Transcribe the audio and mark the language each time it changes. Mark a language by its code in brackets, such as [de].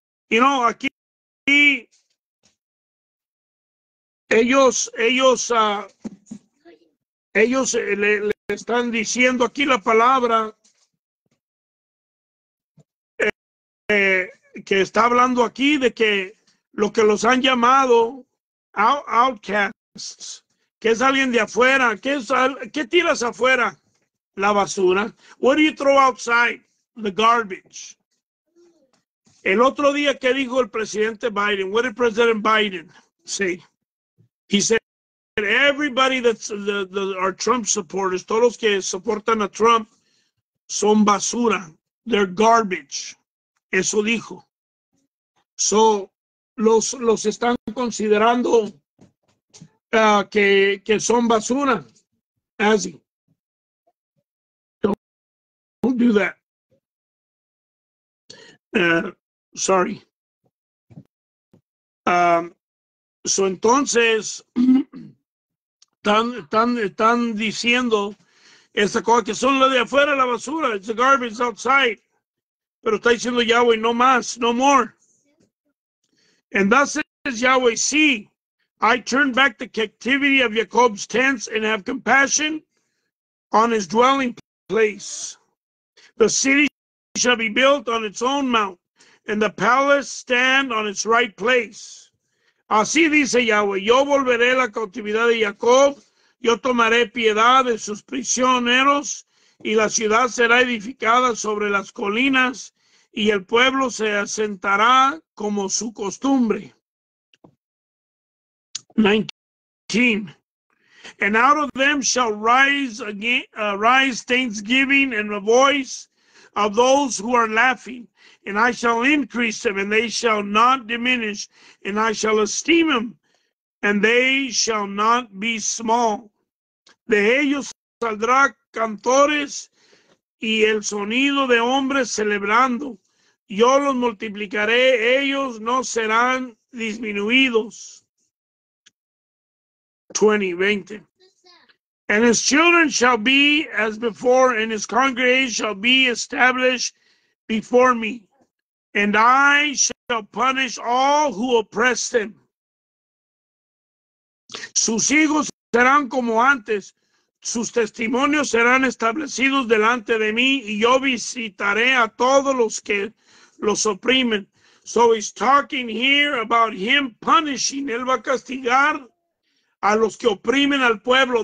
[es] Y no, aquí ellos le están diciendo aquí la palabra que está hablando aquí de que lo que los han llamado outcasts, que es alguien de afuera, que tiras afuera. La basura. [en] What do you throw outside? The garbage. [es] El otro día, ¿qué dijo el presidente Biden? [en] What did President Biden say? He said that everybody that's are Trump supporters, [es] todos los que soportan a Trump, [en] son basura. They're garbage. [es] Eso dijo. So, los están considerando que son basura. Así. [en] Don't do that. Sorry. [es] So entonces, están diciendo esa cosa que son la de afuera, la basura. [en] It's the garbage outside. [es] Pero está diciendo Yahweh, no más, [en] no more. And thus says Yahweh, see, I turn back the captivity of Jacob's tents and have compassion on his dwelling place. The city shall be built on its own mount, and the palace stand on its right place. [es] Así dice Yahweh, yo volveré la cautividad de Jacob, yo tomaré piedad de sus prisioneros, y la ciudad será edificada sobre las colinas, y el pueblo se asentará como su costumbre. [en] 19. And out of them shall rise again, rise thanksgiving and a voice of those who are laughing. And I shall increase them, and they shall not diminish. And I shall esteem them, and they shall not be small. [es] De ellos saldrá cantores y el sonido de hombres celebrando. Yo los multiplicaré, ellos no serán disminuidos. 20. 20, 20. [en] And his children shall be as before, and his congregation shall be established before me. And I shall punish all who oppress them. [es] Sus hijos serán como antes. Sus testimonios serán establecidos delante de mí, y yo visitaré a todos los que los oprimen. [en] So he's talking here about him punishing. [es] Él va a castigar a los que oprimen al pueblo.